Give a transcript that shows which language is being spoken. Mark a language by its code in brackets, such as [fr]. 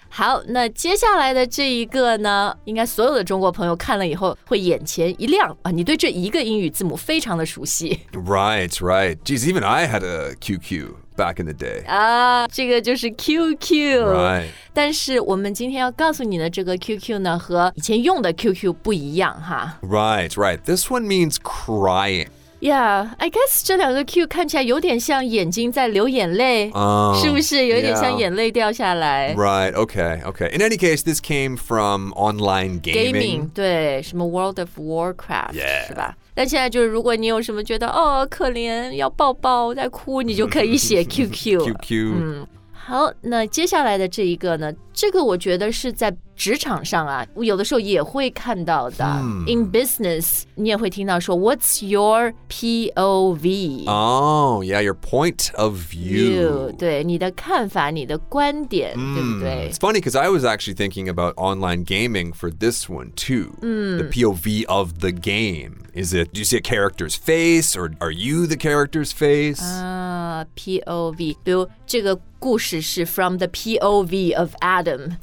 [zh] 好，那接下来的这一个呢，应该所有的中国朋友看了以后会眼前一亮啊！你对这一个英语字母非常的熟悉。 [en] Right, right. Geez, even I had a QQ back in the day. [zh] 这个就是 QQ. [en] Right. [zh] 但是我们今天要告诉你的这个 QQ 呢，和以前用的 QQ 不一样哈。 [en] Right, right. This one means crying. Yeah, I guess [zh] 这两个 Q 看起来有点像眼睛在流眼泪、是不是有点像眼泪掉下来、 [en] yeah. Right, okay, okay. In any case, this came from online gaming. [zh] Gaming, 对什么 World of Warcraft、 [en] yeah. [zh] 是吧但现在就是如果你有什么觉得哦可怜要抱抱在哭你就可以写 QQ QQ、好那接下来的这一个呢这个我觉得是在职场上啊有的时候也会看到的、 [en] In business [zh] 你也会听到说 [en] What's your POV? Oh, yeah, your point of view. [zh] You, 对你的看法你的观点、对不对 [en] It's funny because I was actually thinking about online gaming for this one too、The POV of the game Is it, do you see a character's face or are you the character's face? [zh] POV 比如这个故事是 [en] from the POV of [zh] Adam.